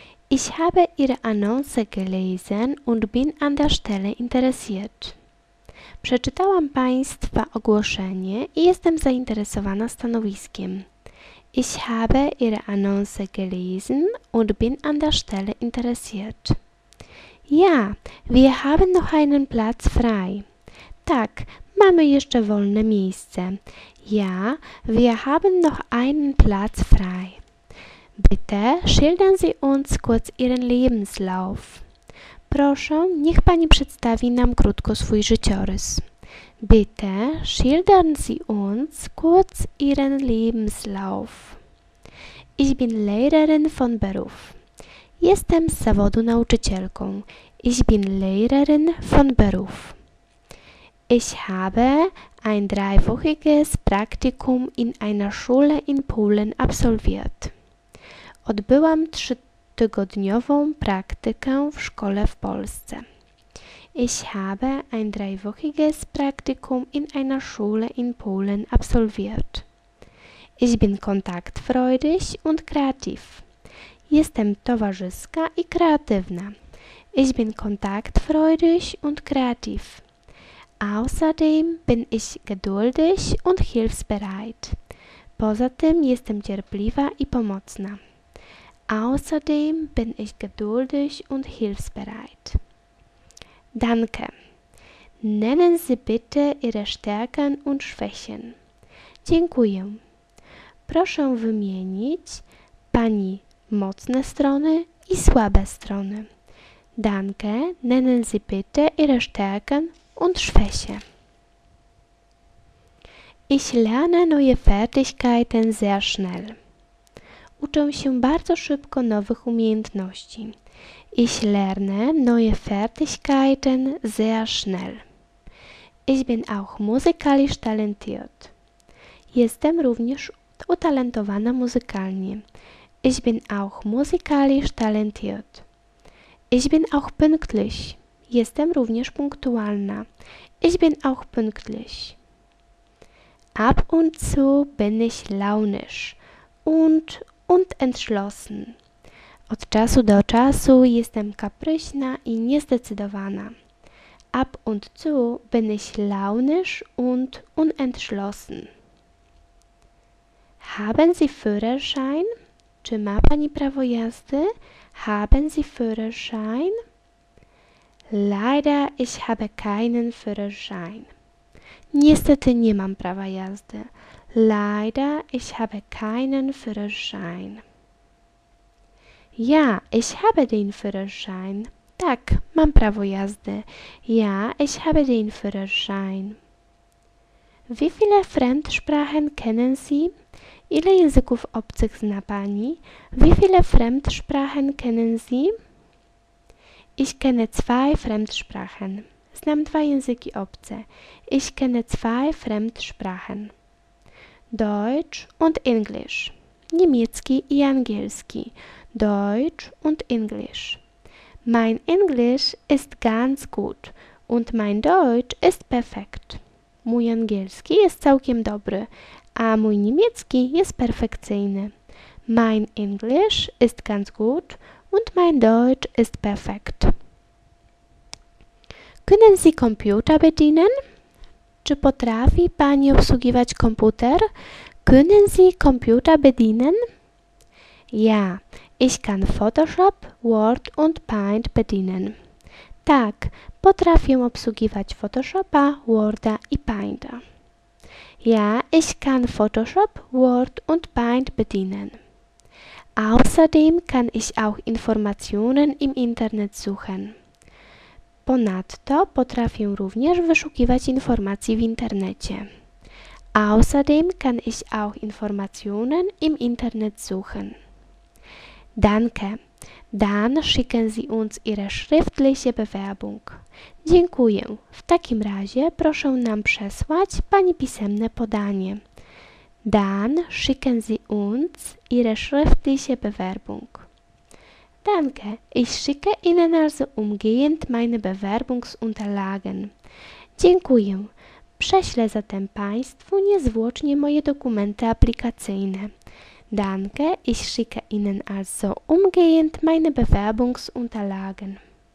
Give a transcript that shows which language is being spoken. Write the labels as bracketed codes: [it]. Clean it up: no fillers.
[de] Ich habe Ihre Annonce gelesen und bin an der Stelle interessiert. [pl] Przeczytałam Państwa ogłoszenie i jestem zainteresowana stanowiskiem. [de] Ich habe Ihre Annonce gelesen und bin an der Stelle interessiert. Ja, wir haben noch einen Platz frei. [pl] Tak, mamy jeszcze wolne miejsce. [de] Ja, wir haben noch einen Platz frei. Bitte schildern Sie uns kurz Ihren Lebenslauf. [pl] Proszę, niech Pani przedstawi nam krótko swój życiorys. [de] Bitte schildern Sie uns kurz Ihren Lebenslauf. Ich bin Lehrerin von Beruf. [pl] Jestem z zawodu nauczycielką. [de] Ich bin Lehrerin von Beruf. Ich habe ein dreiwöchiges Praktikum in einer Schule in Polen absolviert. [pl] Odbyłam 3-tygodniową praktykę w szkole w Polsce. [de] Ich habe ein dreiwöchiges Praktikum in einer Schule in Polen absolviert. Ich bin kontaktfreudig und kreativ. [pl] Jestem towarzyska i kreatywna. [de] Ich bin kontaktfreudig und kreativ. Außerdem bin ich geduldig und hilfsbereit. [pl] Poza tym jestem cierpliwa i pomocna. [de] Außerdem bin ich geduldig und hilfsbereit. Danke. Nennen Sie bitte Ihre Stärken und Schwächen. [pl] Dziękuję. Proszę wymienić Pani mocne strony i słabe strony. [de] Danke, nennen Sie bitte Ihre Stärken und Schwächen. Ich lerne neue Fertigkeiten sehr schnell. [pl] Uczę się bardzo szybko nowych umiejętności. [de] Ich lerne neue Fertigkeiten sehr schnell. Ich bin auch musikalisch talentiert. [pl] Jestem również utalentowana muzykalnie. [de] Ich bin auch musikalisch talentiert. Ich bin auch pünktlich. [pl] Jestem również punktualna. [de] Ich bin auch pünktlich. Ab und zu bin ich launisch und entschlossen. [pl] Od czasu do czasu jestem kapryśna i niezdecydowana. [de] Ab und zu bin ich launisch und unentschlossen. Haben Sie Führerschein? [pl] Czy ma Pani prawo jazdy? [de] Haben Sie Führerschein? Leider, ich habe keinen Führerschein. [pl] Niestety nie mam prawa jazdy. [de] Leider, ich habe keinen Führerschein. Ja, ich habe den Führerschein. [pl] Tak, mam prawo jazdy. [de] Ja, ich habe den Führerschein. Wie viele Fremdsprachen kennen Sie? [pl] Ile języków obcych zna Pani? [de] Wie viele Fremdsprachen kennen Sie? Ich kenne zwei Fremdsprachen. [pl] Znam dwa języki obce. [de] Ich kenne zwei Fremdsprachen. Deutsch und Englisch. [pl] Niemiecki i angielski. [de] Deutsch und Englisch. Mein Englisch ist ganz gut und mein Deutsch ist perfekt. [pl] Mój angielski jest całkiem dobry, a mój niemiecki jest perfekcyjny. [de] Mein Englisch ist ganz gut und mein Deutsch ist perfekt. Können Sie Computer bedienen? [pl] Czy potrafi Pani obsługiwać komputer? [de] Können Sie Computer bedienen? Ja, ich kann Photoshop, Word und Paint bedienen. [pl] Tak, potrafię obsługiwać Photoshopa, Worda i Painta. [de] Ja, ich kann Photoshop, Word und Paint bedienen. Außerdem kann ich auch Informationen im Internet suchen. [pl] Ponadto potrafię również wyszukiwać informacji w internecie. [de] Außerdem kann ich auch Informationen im Internet suchen. Danke. Dann schicken Sie uns Ihre schriftliche Bewerbung. [pl] Dziękuję. W takim razie proszę nam przesłać Pani pisemne podanie. [de] Dann schicken Sie uns Ihre schriftliche Bewerbung. Danke, ich schicke Ihnen also umgehend meine Bewerbungsunterlagen. [pl] Dziękuję. Prześlę zatem Państwu niezwłocznie moje dokumenty aplikacyjne. [de] Danke, ich schicke Ihnen also umgehend meine Bewerbungsunterlagen.